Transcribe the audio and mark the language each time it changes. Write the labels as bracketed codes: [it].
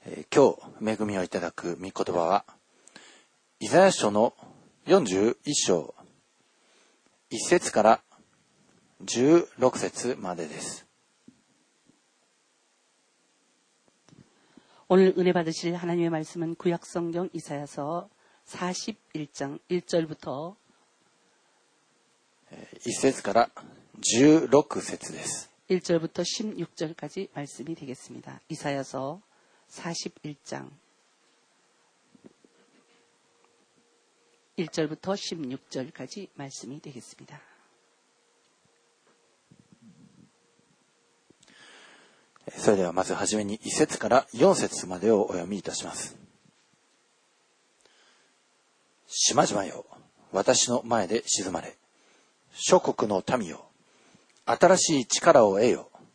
[ja] 今日恵みをいただく御言葉はイザヤ書の41章1節から16節までです。 [ko] 오늘 은혜 받으실 하나님의 말씀은 구약 성경 이사야서 41장 1절부터 [ja] 1절から16절です。 [ko] 1절부터16절까지말씀이되겠습니다. 이사야서 41장 1절부터 16절까지 말씀이 되겠습니다. [ja] それではまずはじめに1節から4節までをお読みいたします。島々よ、私の前で静まれ。諸国の民よ、新しい力を得よ。